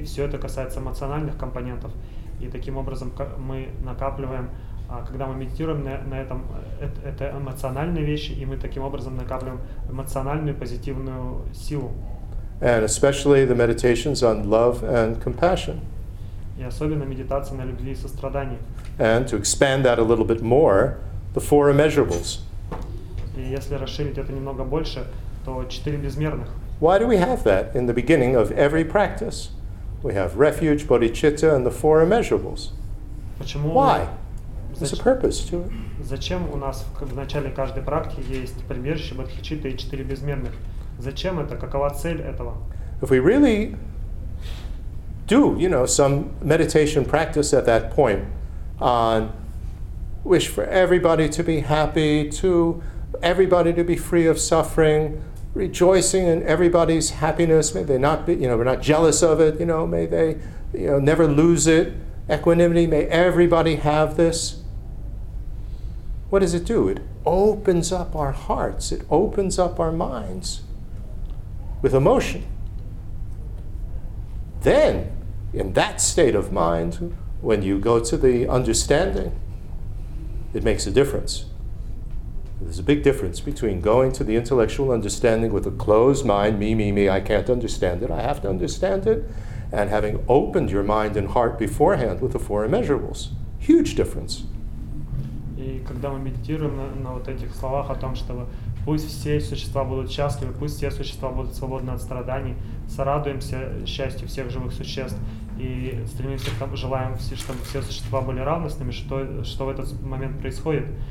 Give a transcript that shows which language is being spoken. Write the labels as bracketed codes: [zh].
[ru] Все это касается эмоциональных компонентов, и таким образом мы накапливаем. Когда мы медитируем на этом, это эмоциональные вещи, и мы таким образом накапливаем эмоциональную позитивную силу. [en] And especially the meditations on love and compassion. [ru] И особенно медитация на любви и сострадание. [en] And to expand that a little bit more, the four immeasurables. [ru] И если расширить это немного больше, то четыре безмерных. [en] Why do we have that in the beginning of every practice? We have refuge, bodhicitta, and the four immeasurables. [ru] Почему? [en] Why? There's a purpose to it. [ru] Зачем у нас в начале каждой практики есть прибежище, бодхичитта и четыре безмерных? Зачем это? Какова цель этого? [en] If we really do, you know, some meditation practice at that point on wish for everybody to be happy, to everybody to be free of suffering, rejoicing in everybody's happiness, may they not be, you know, we're not jealous of it, you know, may they, you know, never lose it, equanimity, may everybody have this. What does it do? It opens up our hearts. It opens up our minds with emotion. Then, in that state of mind, when you go to the understanding, it makes a difference. There's a big difference between going to the intellectual understanding with a closed mind, me, me, me, I can't understand it, I have to understand it, and having opened your mind and heart beforehand with the four immeasurables. Huge difference. [ru] И когда мы медитируем на вот этих словах о том, что пусть все существа будут счастливы, пусть все существа будут свободны от страданий, сорадуемся счастью всех живых существ и стремимся к тому, желаем, все, чтобы все существа были равностными, что в этот момент происходит?